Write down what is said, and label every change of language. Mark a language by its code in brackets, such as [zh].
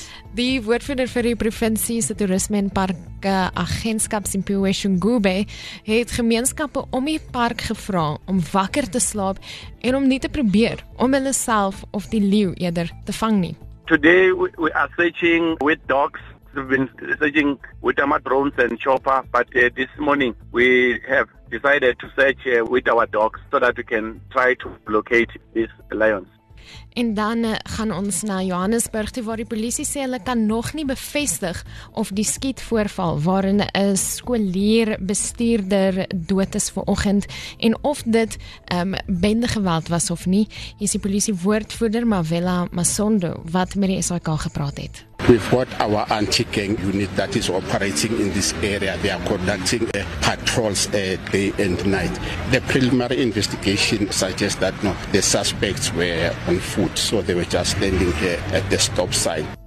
[af] Die woordvoerder vir die provinsie se toerisme en parke agentskap Simpiwe Shungube het gemeenskappe om die park gevra om wakker te slaap en om nie te probeer om hulle self of die leeu eerder te vang nie. [en] Today we are searching with dogs. We've been searching with our drones and chopper, but this morning we have decided to search with our dogs so that we can try to locate these lions. [af] En dan gaan ons na Johannesburg toe waar die polisie sê hulle kan nog nie bevestig of die skietvoorval waarin 'n skoolleerbestuurder dood is vanoggend en of dit bendegeweld was of nie. Hier is die polisie woordvoerder Mavela Masondo wat met die SAK gepraat het. [en] We've got our anti-gang unit that is operating in this area. They are conducting patrols day and night. The preliminary investigation suggests that no, the suspects were on foot, so they were just standing here at the stop sign.